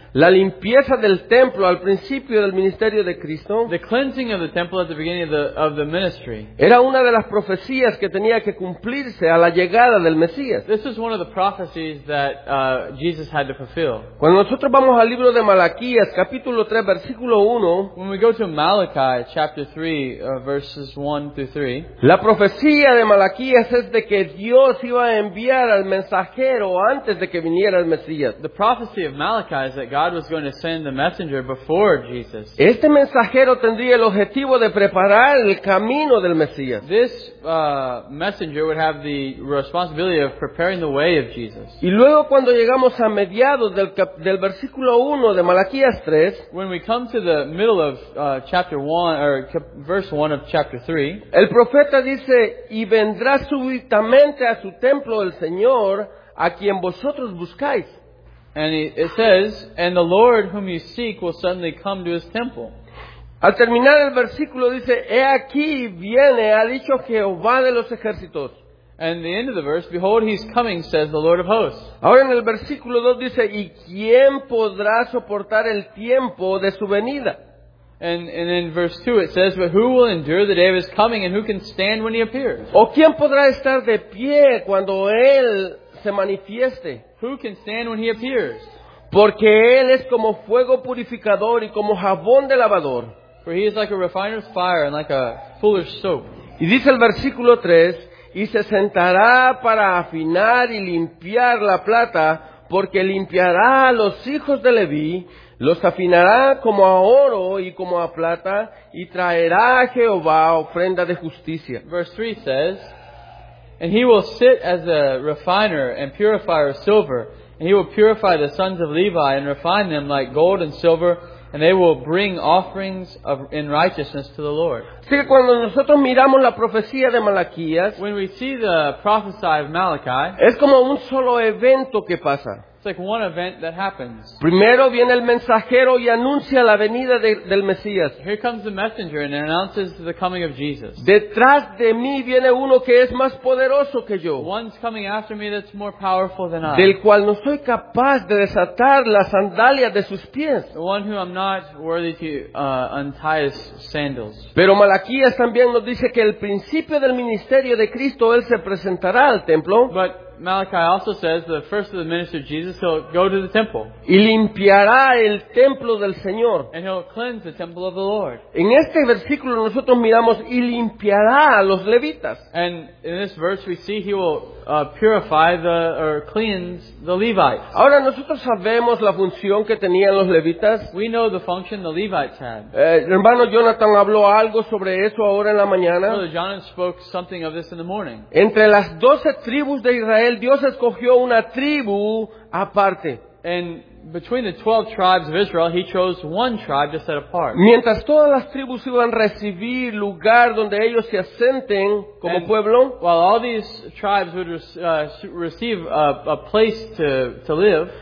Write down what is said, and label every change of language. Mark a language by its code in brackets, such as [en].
[es] La limpieza del templo al principio del ministerio de Cristo, [en] the cleansing of the temple at the beginning of the ministry, [es] era una de las profecías que tenía que cumplirse a la llegada del Mesías. [en] This is one of the prophecies that Jesus had to fulfill. [es] Cuando nosotros vamos al libro de Malaquías, capítulo 3, versículo 1, [en] when we go to Malachi, chapter 3, verses 1-3, [es] la profecía de Malaquías es de que Dios iba a enviar al mensajero antes de que viniera el Mesías. [en] The prophecy of Malachi is that God was going to send the messenger before Jesus. [es] Este mensajero tendría el objetivo de preparar el camino del Mesías. [en] This messenger would have the responsibility of preparing the way of Jesus. [es] Y luego cuando llegamos a mediados del versículo 1 de Malaquías 3, [en] when we come to the middle of chapter 1 or verse 1 of chapter 3, [es] el profeta dice: y vendrá súbitamente a su templo el Señor a quien vosotros buscáis. [en] And it says, and the Lord whom you seek will suddenly come to his temple. [es] Al terminar el versículo dice, he aquí viene, ha dicho Jehová de los ejércitos. [en] And the end of the verse, behold, he's coming, says the Lord of hosts. [es] Ahora en el versículo 2 dice, y quién podrá soportar el tiempo de su venida. [en] And in verse 2 it says, but who will endure the day of his coming, and who can stand when he appears? [es] O quién podrá estar de pie cuando él se manifieste. [en] Who can stand when he appears? [es] Porque él es como fuego purificador y como jabón de lavador. [en] For he is like a refiner's fire and like a fuller's soap. [es] Y dice el versículo 3, y se sentará para afinar y limpiar la plata, porque limpiará a los hijos de Leví, los afinará como a oro y como a plata, y traerá a Jehová ofrenda de justicia. [en] Verse 3 says, and he will sit as a refiner and purifier of silver, and he will purify the sons of Levi and refine them like gold and silver, and they will bring offerings of in righteousness to the Lord. [es] Así que cuando nosotros miramos la profecía de Malaquías, [en] when we see the prophecy of Malachi, [es] es como un solo evento que pasa. [en] It's like one event that happens. [es] Primero viene el mensajero y anuncia la venida del Mesías. [en] Here comes the messenger and announces the coming of Jesus. [es] Detrás de mí viene uno que es más poderoso que yo. [en] One's coming after me that's more powerful than I. [es] Del cual no soy capaz de desatar las sandalias de sus pies. [en] The one who I'm not worthy to untie his sandals. [es] Pero Malaquías también nos dice que el principio del ministerio de Cristo, él se presentará al templo. [en] But Malachi also says the first of the ministry of Jesus, he'll go to the temple. [es] Y limpiará el templo del Señor. [en] And he'll cleanse the temple of the Lord. [es] En este versículo nosotros miramos y limpiará a los levitas. [en] And in this verse we see he will purify the or cleanse the Levites. [es] Ahora nosotros sabemos la función que tenían los levitas. [en] We know the function the Levites had. [es] Hermano Jonathan habló algo sobre eso ahora en la mañana. [en] Brother Jonathan spoke something of this in the morning. [es] Entre las 12 tribus de Israel, Dios escogió una tribu aparte. [en] And between the 12 tribes of Israel, he chose one tribe to set apart. [es] Mientras todas las tribus iban a recibir lugar donde ellos se asenten como [en] and [es] pueblo, [en] while all these tribes would receive a place to live,